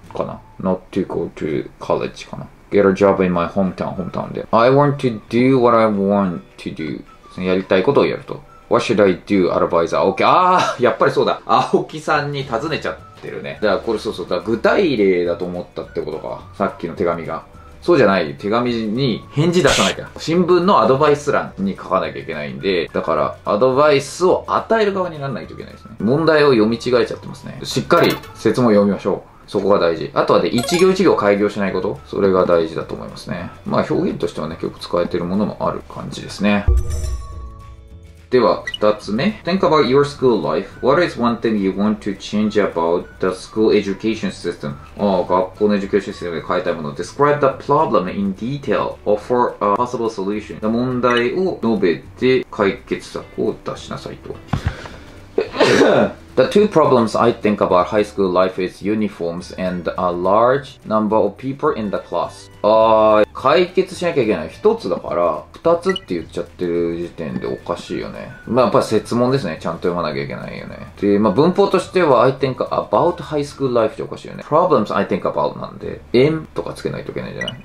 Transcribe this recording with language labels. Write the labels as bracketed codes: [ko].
[ja] かな [en] Not to go to college かな Get a job in my hometown [ja] で [en] I want to do what I want to do [ja] やりたいことをやると [en] What should I do? [ja] Advisor Aoki あーやっぱりそうだ青木さんに尋ねちゃってるねだからこれそうそうだ具体例だと思ったってことかさっきの手紙がそうじゃない手紙に返事出さなきゃ新聞のアドバイス欄に書かなきゃいけないんでだからアドバイスを与える側にならないといけないですね問題を読み違えちゃってますねしっかり説も読みましょうそこが大事。あとはね、一行一行開業しないこと。それが大事だと思いますね。まあ表現としてはね、結構使えてるものもある感じですね。では、二つ目。 [en] Think about your school life. What is one thing you want to change about the school education system? [ja] ああ、学校のエデュケーションシステムで変えたいもの。 [en] Describe the problem in detail. Offer a possible solution. [ja] 問題を述べて解決策を出しなさいと。 [en] The two problems I think about high school life is uniforms and a large number of people in the class. [ja] ああ、解決しなきゃいけない。一つだから、二つって言っちゃってる時点でおかしいよね。まあやっぱり設問ですね。ちゃんと読まなきゃいけないよね。で、まあ文法としては [en] I think about high school life [ja] っておかしいよね。 [en] problems I think about [ja] なんで、in とかつけないといけないじゃない。